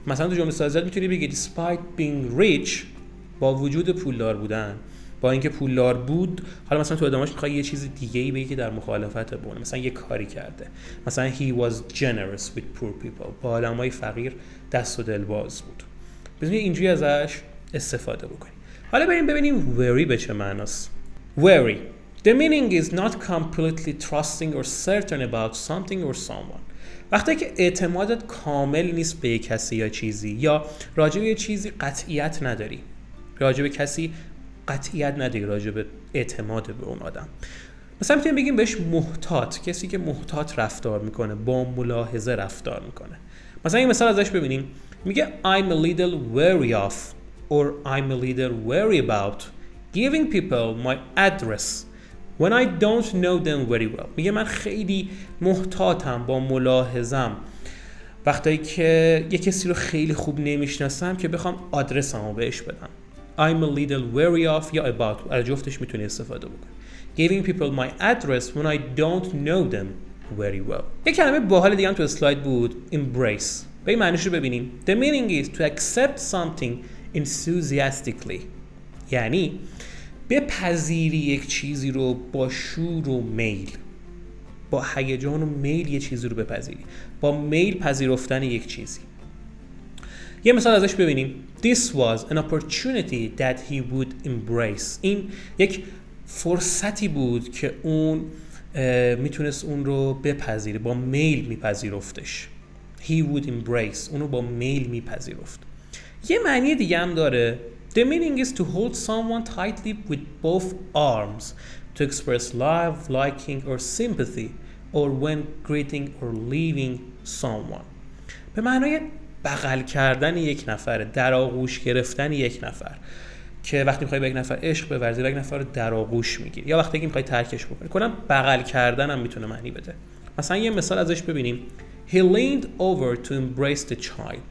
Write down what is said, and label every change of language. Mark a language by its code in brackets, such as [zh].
[fa] مثلا تو جمله سازی میتونی بگی [en] despite being rich، [fa] با وجود پولدار بودن، با اینکه پولدار بود، حالا مثلا تو ادامش میخوای یه چیز دیگه‌ای بگی که در مخالفت بونه، مثلا یه کاری کرده، مثلا [en] he was generous with poor people، [fa] با آدمای فقیر دست و دلباز بود. بزنی اینجوری ازش استفاده بکنی. حالا بریم ببینیم weary به چه معناست. [en] weary the meaning is not completely trusting or certain about something or someone. [fa] وقتی که اعتمادت کامل نیست به کسی یا چیزی، یا راجع به چیزی قطعیت نداری، راجع به کسی قطعیت نداری، راجع به اعتماد به اون آدم. مثلا میتونیم بگیم بهش محتاط، کسی که محتاط رفتار میکنه، با ملاحظه رفتار میکنه. مثلا این مثال ازش ببینیم. [en] میگه I'm a little wary of or I'm a little wary about giving people my address when I don't know them very well. [fa] میگه من خیلی محتاطم، با ملاحظم وقتی که یه کسی رو خیلی خوب نمیشناسم که بخوام آدرسمو بهش بدم. [en] I'm a little wary of [fa] یا about، از جفتش میتونی استفاده بکنی. [en] giving people my address when I don't know them very well. [fa] یه کلمه باحال دیگه هم تو سلاید بود، embrace. به این معنیش رو ببینیم. [en] The meaning is to accept something enthusiastically. [fa] یعنی بپذیری یک چیزی رو با شور و میل، با هیجان و میل یک چیزی رو بپذیری، با میل پذیرفتن یک چیزی. یه مثال ازش ببینیم. [en] This was an opportunity that he would embrace. [fa] این یک فرصتی بود که اون میتونست اون رو بپذیره، با میل میپذیرفتش. [en] He would embrace، [fa] اون رو با میل میپذیرفت. یه معنی دیگه هم داره. [en] The meaning is to hold someone tightly with both arms to express love, liking or sympathy or when greeting or leaving someone. [fa] به معنای بغل کردن یک نفر، در آغوش گرفتن یک نفر، که وقتی میخوای به یک نفر عشق بورزی و یک نفر رو در آغوش میگیری یا وقتی که میخوای ترکش بکنی، کلاً بغل کردن هم میتونه معنی بده. مثلا یه مثال ازش ببینیم. [en] He leaned over to embrace the child.